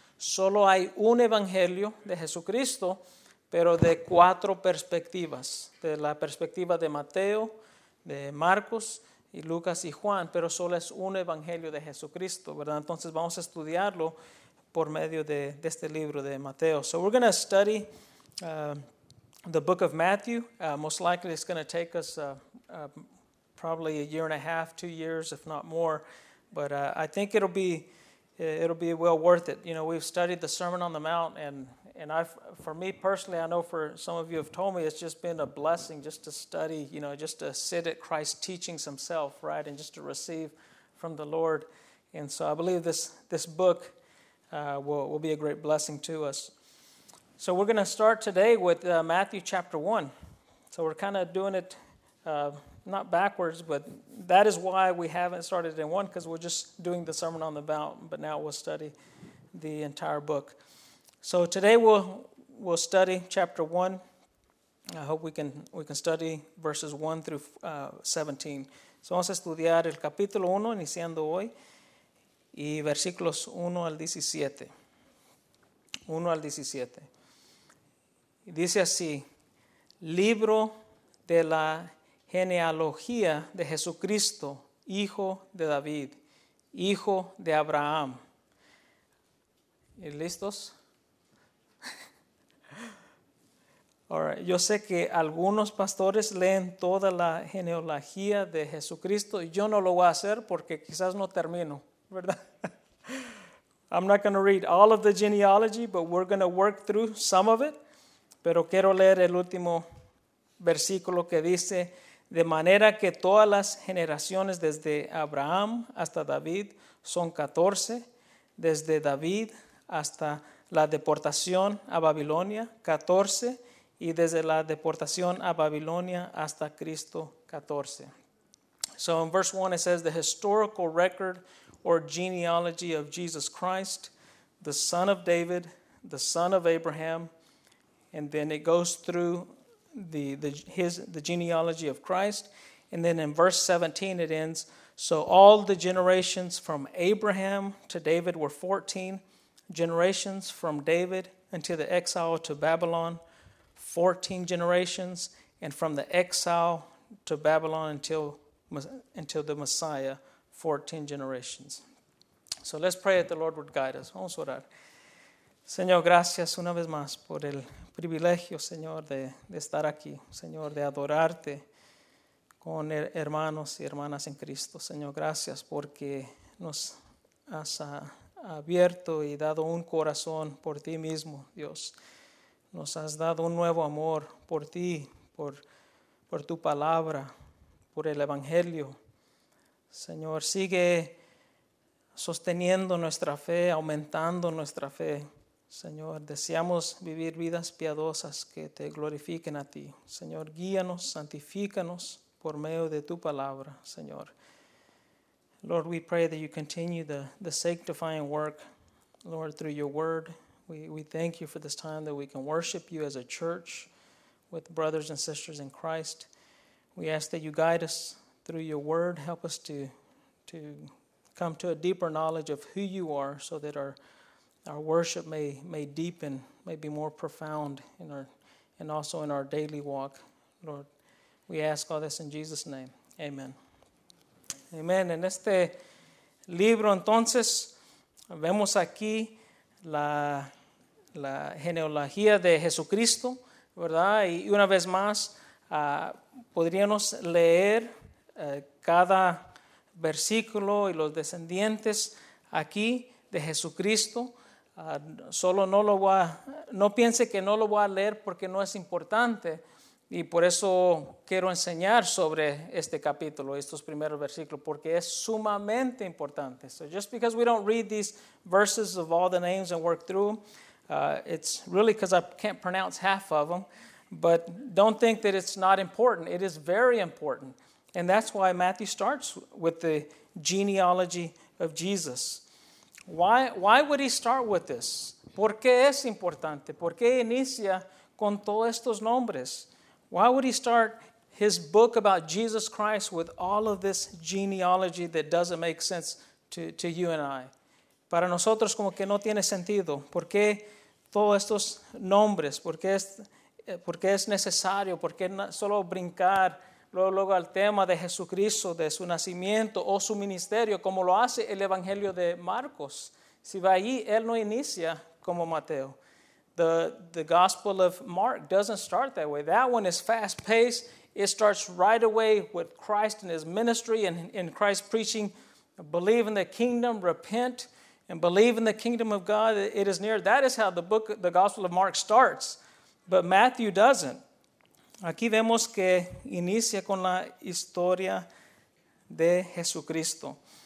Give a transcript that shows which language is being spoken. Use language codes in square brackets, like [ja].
[es] Solo hay un evangelio de Jesucristo, pero de cuatro perspectivas: de la perspectiva de Mateo, de Marcos y Lucas y Juan, pero solo es un evangelio de Jesucristo, ¿verdad? Entonces vamos a estudiarlo por medio de este libro de Mateo. [en] So we're going to study the book of Matthew. Most likely it's going to take us probably a year and a half, 2 years, if not more. But I think it'll be well worth it. You know, we've studied the Sermon on the Mount, and for me personally, I know for some of you have told me, it's just been a blessing just to study, you know, just to sit at Christ's teachings himself, right, and just to receive from the Lord. And so I believe this book will be a great blessing to us. So we're going to start today with Matthew chapter 1. So we're kind of doing it not backwards, but that is why we haven't started in 1, because we're just doing the Sermon on the Mount, but now we'll study the entire book. So today we'll study chapter 1. I hope we can study verses 1 through 17. [es] So vamos a estudiar el capítulo 1 iniciando hoy y versículos 1 al 17. 1 al 17. Dice así: Libro de la genealogía de Jesucristo, hijo de David, hijo de Abraham. ¿Y listos? [en] All right. [es] Yo sé que algunos pastores leen toda la genealogía de Jesucristo. Yo no lo voy a hacer porque quizás no termino, ¿verdad? [en] I'm not going to read all of the genealogy, but we're going to work through some of it. [es] Pero quiero leer el último versículo que dice: De manera que todas las generaciones desde Abraham hasta David son 14, desde David hasta la deportación a Babilonia, 14, y desde la deportación a Babilonia hasta Cristo, 14. [en] So in verse 1 it says, The historical record or genealogy of Jesus Christ, the son of David, the son of Abraham, and then it goes through the genealogy of Christ. And then in verse 17 it ends, So all the generations from Abraham to David were 14, generations from David until the exile to Babylon, 14 generations, and from the exile to Babylon until the Messiah, 14 generations. So let's pray that the Lord would guide us. [es] Vamos a orar. Señor, gracias una vez más por el privilegio, Señor, de estar aquí, Señor, de adorarte con hermanos y hermanas en Cristo. Señor, gracias porque nos has abierto y dado un corazón por ti mismo, Dios. Nos has dado un nuevo amor por ti, por tu palabra, por el Evangelio. Señor, sigue sosteniendo nuestra fe, aumentando nuestra fe. Señor, deseamos vivir vidas piadosas que te glorifiquen a ti. Señor, guíanos, santifícanos por medio de tu palabra, Señor. [en] Lord, we pray that you continue the sanctifying work, Lord, through your word. We thank you for this time that we can worship you as a church with brothers and sisters in Christ. We ask that you guide us through your word. Help us to come to a deeper knowledge of who you are so that our worship may deepen, may be more profound in our and also in our daily walk. Lord, we ask all this in Jesus' name. Amen. Amen. [es] En este libro, entonces, vemos aquí la genealogía de Jesucristo, ¿verdad? Y una vez más, podríamos leer cada versículo y los descendientes aquí de Jesucristo. Solo no piense que no lo voy a leer porque no es importante, y por eso quiero enseñar sobre este capítulo, estos primeros versículos, porque es sumamente importante. [en] So just because we don't read these verses of all the names and work through, it's really because I can't pronounce half of them, but don't think that it's not important. It is very important, and that's why Matthew starts with the genealogy of Jesus. Why would he start with this? [es] ¿Por qué es importante? ¿Por qué inicia con todos estos nombres? [en] Why would he start his book about Jesus Christ with all of this genealogy that doesn't make sense to you and I? [es] Para nosotros como que no tiene sentido. ¿Por qué todos estos nombres? ¿Por qué es necesario? ¿Por qué solo brincar luego al tema de Jesucristo, de su nacimiento o su ministerio, como lo hace el Evangelio de Marcos? Si va ahí, él no inicia como Mateo. [en] The Gospel of Mark doesn't start that way. That one is fast-paced. It starts right away with Christ and his ministry and in Christ preaching, believe in the kingdom, repent, and believe in the kingdom of God. It is near. That is how the Gospel of Mark starts. But Matthew doesn't. [es] Aquí vemos que inicia con la historia de Jesucristo.